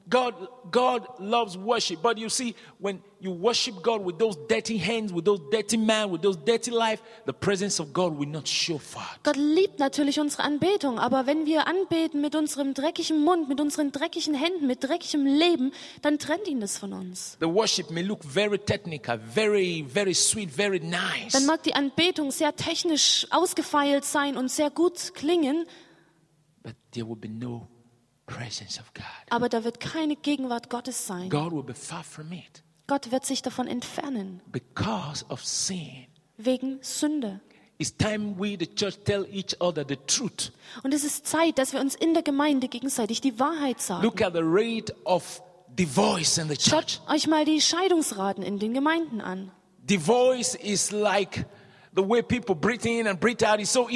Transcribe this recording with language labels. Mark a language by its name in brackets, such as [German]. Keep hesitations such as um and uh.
[English] God, God loves worship, but you see, when you worship God with those dirty hands, with those dirty man, with those dirty life, the presence of God will not show far. [German] Gott liebt natürlich unsere Anbetung, aber wenn wir anbeten mit unserem dreckigen Mund, mit unseren dreckigen Händen, mit dreckigem Leben, dann trennt ihn das von uns. [English] The worship may look very technical, very, very sweet, very nice. [German] Dann mag die Anbetung sehr technisch ausgefeilt sein und sehr gut klingen. [English] But there will be no Presence of God. [German] Aber da wird keine Gegenwart Gottes sein. [English] God will be far from it. [German] Gott wird sich davon entfernen. [English] Because of sin. [German] Wegen Sünde. [English] It's time we, the church, tell each other the truth. [German] Und es ist Zeit, dass wir uns in der Gemeinde gegenseitig die Wahrheit sagen. [English] Look at the rate of divorce in the church. [German] Schaut euch mal die Scheidungsraten in den Gemeinden an. [English] Divorce is like The way people breathe in and breathe out is